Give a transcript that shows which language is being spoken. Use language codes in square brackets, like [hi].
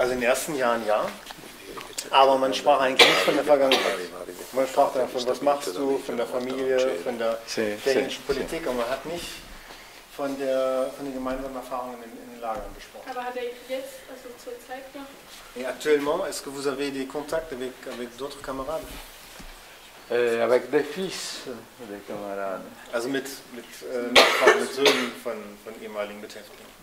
[de] Also in den ersten Jahren, ja. Aber man sprach eigentlich nicht von der Vergangenheit. Man sprach davon, was machst du, von der Familie, von der italienischen Politik. Und man hat nicht von den gemeinsamen Erfahrungen in den Lagern gesprochen. Aber hat er jetzt, also zur Zeit noch? [fr] Et actuellement, est-ce que vous avez des contacts avec d'autres camarades? Avec des fils des camarades. [de] Also mit Söhnen von ehemaligen Beteiligten.